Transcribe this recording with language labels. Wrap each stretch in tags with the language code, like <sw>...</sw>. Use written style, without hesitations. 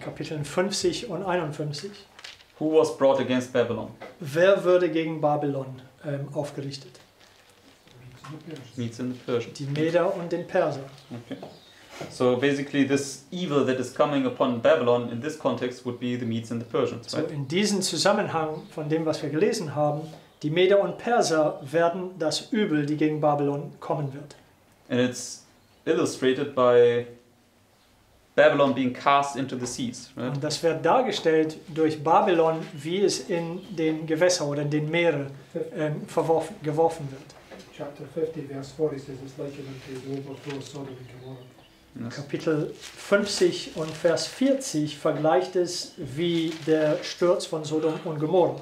<de>Kapiteln 50 und 51,</de> <en>who was brought against Babylon?</en> <de>Wer wurde gegen Babylon aufgerichtet?</de> <en>Medes and the Persians.</en> <de>Die Meder und den Perser.</de> <en>Okay. So basically this evil that is coming upon Babylon in this context would be the Medes and the Persians, right?</en> <de>So in diesem Zusammenhang von dem, was wir gelesen haben, die Meder und Perser werden das Übel, die gegen Babylon kommen wird.</de> <en>And it's illustrated by Babylon being cast into the seas, right?</en> <de>Und das wird dargestellt durch Babylon, wie es in den Gewässer oder in den Meere geworfen wird.</de> <en>Chapter 50, verse 40 says it's like it overflows Sodom and Gomorrah. Yes.</en> <de>Kapitel 50 und Vers 40 vergleicht es wie der Sturz von Sodom und Gomorra,</de>